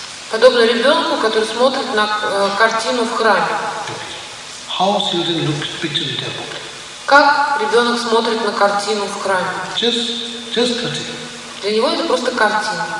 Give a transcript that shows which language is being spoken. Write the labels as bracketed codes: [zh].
[ru] Подобно ребенку, который смотрит на картину в храме. [en] How children look at picture in temple? [ru] Как ребенок смотрит на картину в храме? [en] Just cartoon. [ru] Для него это просто картина.